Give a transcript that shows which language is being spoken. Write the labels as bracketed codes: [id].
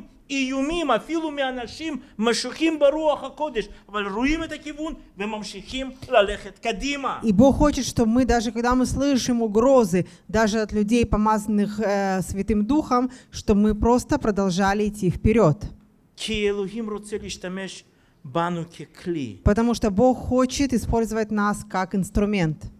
[he] איומים, אפילו מאנשים משוכים ברוח הקודש, אבל רואים את הכיוון וממשיכים ללכת קדימה. [ru] И Бог хочет, чтобы мы, даже когда мы слышим угрозы, даже от людей, помазанных Святым Духом, чтобы мы просто продолжали идти вперед. [he] כי אלוהים רוצה להשתמש בנו ככלי. [ru] Потому что Бог хочет использовать нас как инструмент.